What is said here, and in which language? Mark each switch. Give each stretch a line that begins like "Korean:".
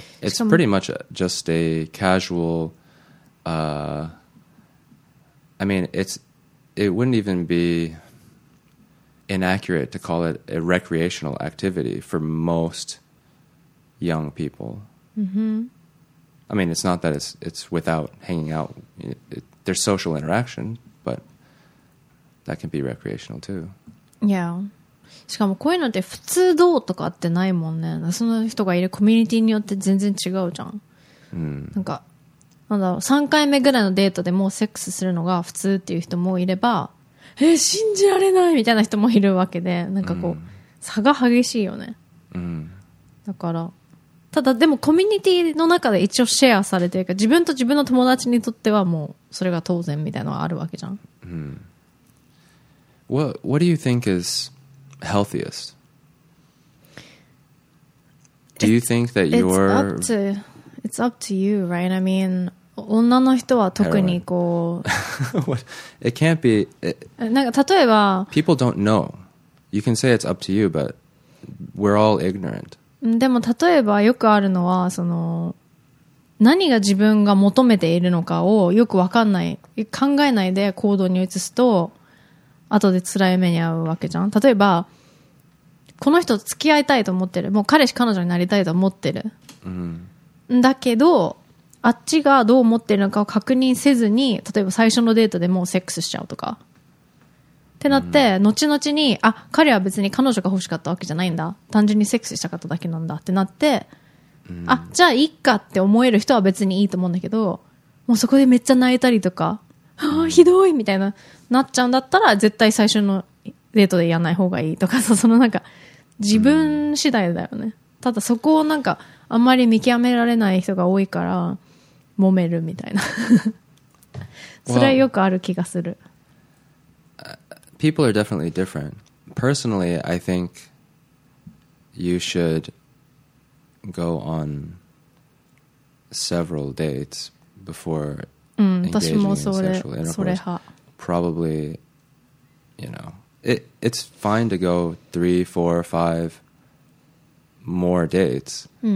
English: It's pretty much just a casual... I mean, it wouldn't even be inaccurate to call it a recreational activity for most young people. Mm-hmm. I mean, it's not that it's without hanging out. There's social interaction, but that can be recreational too. Yeah.
Japanese: しかもこういうのって普通どうとかってないもんね。その人がいるコミュニティによって全然違うじゃん。なんか、なんだろう3回目ぐらいのデートでもうセックスするのが普通っていう人もいれば、信じられないみたいな人もいるわけで、なんかこう、差が激しいよね。だから、ただでもコミュニティの中で一応シェアされてるか、自分と自分の友達にとってはもうそれが当然みたいなのはあるわけじゃん。
English: What do you think is healthiest? Do you think that you're... It's up to you, right? I mean...
Japanese: 女の人は特にこう、
English: it can't be.
Japanese: なんか例えば、
English: people don't know. You can say it's up to you, but we're all ignorant.
Japanese: でも例えばよくあるのはその何が自分が求めているのかをよく分かんない、考えないで行動に移すと後で辛い目に遭うわけじゃん。例えばこの人と付き合いたいと思ってる、もう彼氏彼女になりたいと思ってる、うん、だけどあっちがどう思ってるのかを確認せずに、例えば最初のデートでもうセックスしちゃうとかってなって、うん、後々にあ彼は別に彼女が欲しかったわけじゃないんだ、単純にセックスしたかっただけなんだってなって、うん、あじゃあいいかって思える人は別にいいと思うんだけど、もうそこでめっちゃ泣いたりとか、うん、あひどいみたいななっちゃうんだったら絶対最初のデートでやんない方がいいとかさ、そのなんか自分次第だよね、うん、ただそこをなんかあんまり見極められない人が多いから揉めるみたいなそれはよくある気がする。
English: People are definitely different. Personally, I think you should go on several dates before engaging in sexual intercourse. Probably, you know, it's fine to go 3, 4, 5 more dates.